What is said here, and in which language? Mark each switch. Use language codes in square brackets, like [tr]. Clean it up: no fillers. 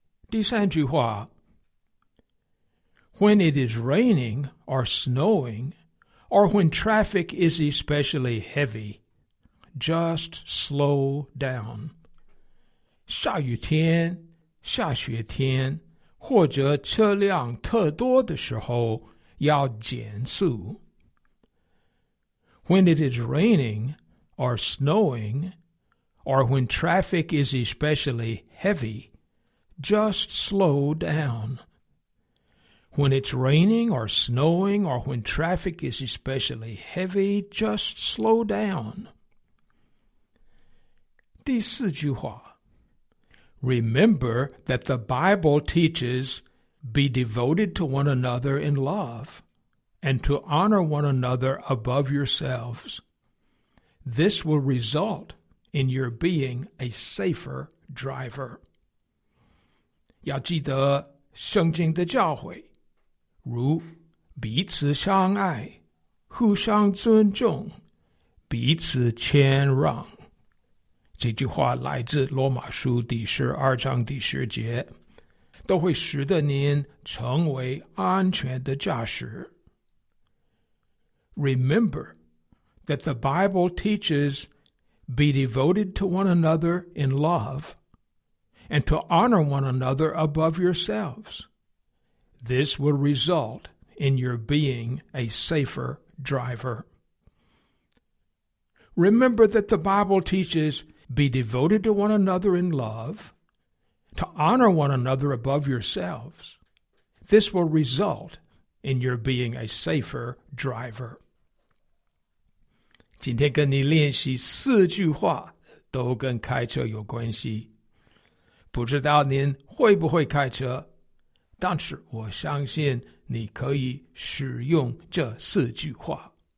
[zh] 第三句话 [en] When it is raining or snowing,Or when traffic is especially heavy, just slow down. [zh] 下雨天、下雪天或者车辆特多的时候要减速。 [en] When it is raining or snowing, or when traffic is especially heavy, just slow down. When it's raining or snowing or when traffic is especially heavy, just slow down. [zh] 第四句话 [en] Remember that the Bible teaches be devoted to one another in love and to honor one another above yourselves. This will result in your being a safer driver. [zh] 要记得圣经的教诲如彼此相爱，互相尊重，彼此谦让。这句话来自罗马书第十二章第十节，都会使得您成为安全的驾驶。 [en] Remember that the Bible teaches be devoted to one another in love and to honor one another above yourselves. This will result in your being a safer driver. Remember that the Bible teaches be devoted to one another in love, to honor one another above yourselves. This will result in your being a safer driver. [zh] 今天跟你练习四句话都跟开车有关系。不知道您会不会开车？但是我相信你可以使用这四句话。